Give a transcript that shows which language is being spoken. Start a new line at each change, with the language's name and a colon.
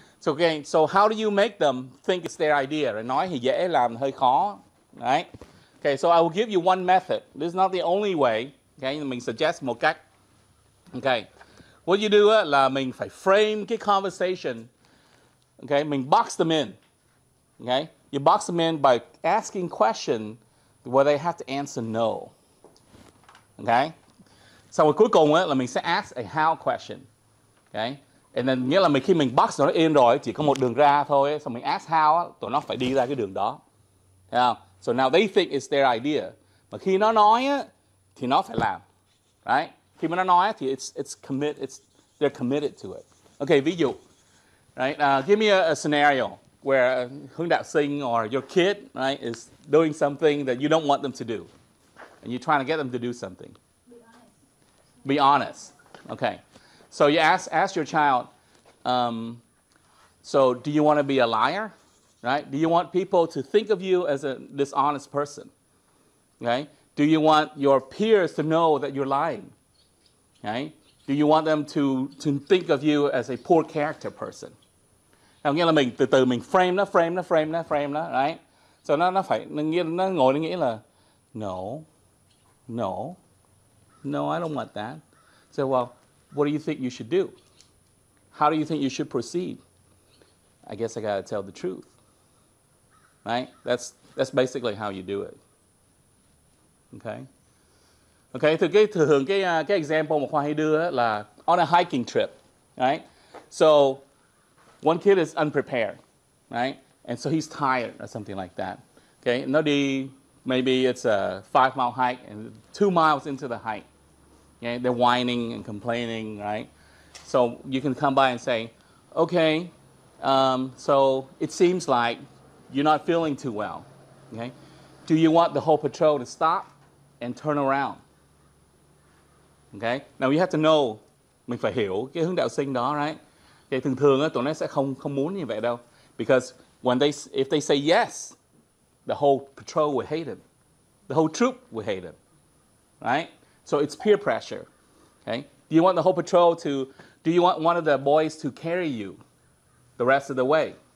English: So, okay, so how do you make them think it's their idea? Right?
Vietnamese: Nói thì dễ, làm hơi khó, right?
English: Okay, so I will give you one method. This is not the only way. Okay,
Vietnamese: mình
English: suggest
Vietnamese: một cách.
English: Okay, what you do
Vietnamese: là mình phải
English: frame
Vietnamese: cái
English: conversation. Okay,
Vietnamese: mình
English: box them in. Okay, you box them in by asking questions where they have to answer no. Okay, so
Vietnamese: cuối cùng là mình sẽ
English: ask a how question. Okay, and then
Vietnamese: nghĩa là mình khi mình
English: box
Vietnamese: nó in rồi chỉ có một đường ra thôi. So mình
English: ask how,
Vietnamese: tụi nó phải đi ra cái đường đó.
English: Yeah. So now they think it's their idea. But
Vietnamese: khi nó nói thì nó phải làm,
English: right?
Vietnamese: Khi mà nó nói thì
English: they're committed to it. Okay,
Vietnamese: ví dụ,
English: right? Give me a scenario where Hưng Đạo Sinh or your kid, right, is doing something that you don't want them to do, and you're trying to get them to do something. Be honest. Be honest. Okay. So you ask your child. So do you want to be a liar, right? Do you want people to think of you as a dishonest person? Okay. Do you want your peers to know that you're lying? Okay. Do you want them to think of you as a poor character person?
Vietnamese: Nó nghĩa là mình từ từ mình
English: frame
Vietnamese: nó,
English: right? So
Vietnamese: nó phải nó nghĩ là
English: no, I don't want that. So well, what do you think you should do? How do you think you should proceed? I guess I gotta tell the truth, right? That's basically how you do it. Okay.
Vietnamese: Thì cái thường cái
English: example
Vietnamese: mà Khoa hay đưa là
English: on a hiking trip, right? So one kid is unprepared, right? And so he's tired or something like that. Okay,
Vietnamese: nó đi,
English: maybe it's a 5-mile hike and 2 miles into the hike. Okay, they're whining and complaining, right? So you can come by and say, okay, so it seems like you're not feeling too well. Okay, do you want the whole patrol to stop and turn around? Okay, now you have to know,
Vietnamese: mình phải hiểu cái hướng đạo sinh đó,
English: right?
Vietnamese: Thì thường thường á, tụi nó sẽ không muốn như vậy đâu.
English: Because if they say yes, the whole patrol will hate him. The whole troop will hate him. Right? So it's peer pressure. Okay? Do you want the whole patrol to... Do you want one of the boys to carry you the rest of the way?